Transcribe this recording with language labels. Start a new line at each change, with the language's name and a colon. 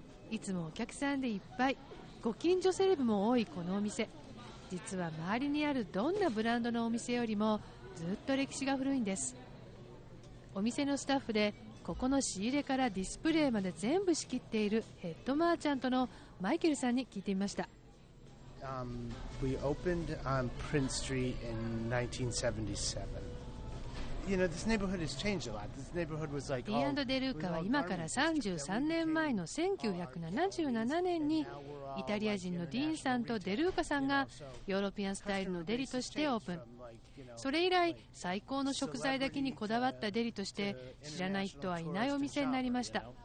Japanese: いつもお客さんでいっぱい、ご近所セレブも多いこのお店、実は周りにあるどんなブランドのお店よりもずっと歴史が古いんです。お店のスタッフでここの仕入れからディスプレイまで全部仕切っているヘッドマーチャントのマイケルさんに聞いてみました。
English: We opened on Prince Street in 1977. You know, this neighborhood has changed a lot. This neighborhood was like all.
Japanese: D&D Luca は今から33年前の1977年にイタリア人のディーンさんとデルーカさんがヨーロピアンスタイルのデリとしてオープン。それ以来最高の食材だけにこだわったデリとして知らない人はいないお店になりました。